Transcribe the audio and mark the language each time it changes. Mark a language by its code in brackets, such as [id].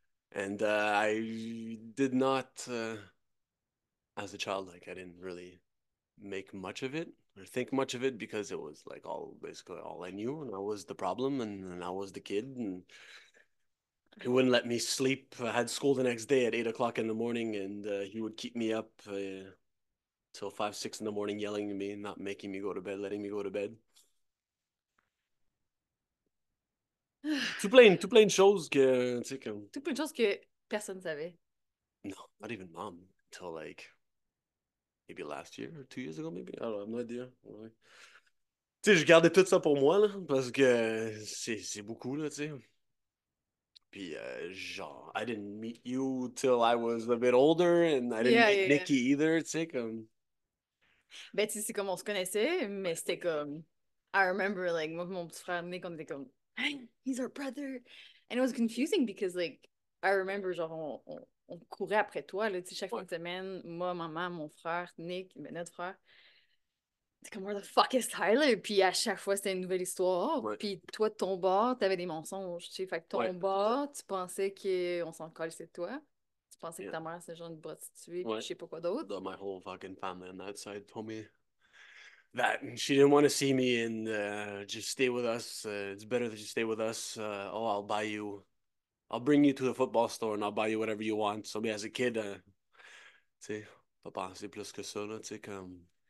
[en] And I did not, as a child, like I didn't really make much of it or think much of it because it was like all basically all I knew, and I was the problem, and I was the kid, and he wouldn't let me sleep. I had school the next day at 8 o'clock in the morning, and he would keep me up till 5, 6 in the morning, yelling at me, not making me go to bed, letting me go to bed. [fr] Tout plein de choses que, tu sais, comme. Toute une chose que personne ne savait. [en] No, not even mom until like maybe last year or 2 years ago, maybe. I don't know, I'm not there. [fr] Ouais. Tu sais, je gardais tout ça pour moi, là, parce que c'est beaucoup, là, tu sais. Puis, genre, [en] I didn't meet you till I was a bit older, and I didn't meet Nikki either, [fr] tu sais, comme. Ben, tu sais, c'est comme on se connaissait, mais c'était comme. [en] I remember, like, [fr] moi, mon petit frère Nick, on était comme. [en] He's our brother. And it was confusing because, like, I remember, [fr] genre, on courait après toi, là, tu sais, chaque fin de semaine, moi, maman, mon frère, Nick, mais notre frère. C'est comme, [en] where the fuck is Tyler? [fr] Puis à chaque fois, c'était une nouvelle histoire. Ouais. Puis toi, de ton bord, t'avais des mensonges, tu sais. Fait que ton Ouais. bord, tu pensais qu'on s'en calissait de toi. Tu pensais que ta mère, c'est genre une prostituée, puis je Ouais. sais pas quoi d'autre. [en] The, my whole fucking family on that side told me that, and she didn't want to see me, and just stay with us. It's better that you stay with us. Oh, I'll bring you to the football store, and I'll buy you whatever you want. So me as a kid, [fr] tu sais, papa, c'est plus que ça, là, tu sais, comme.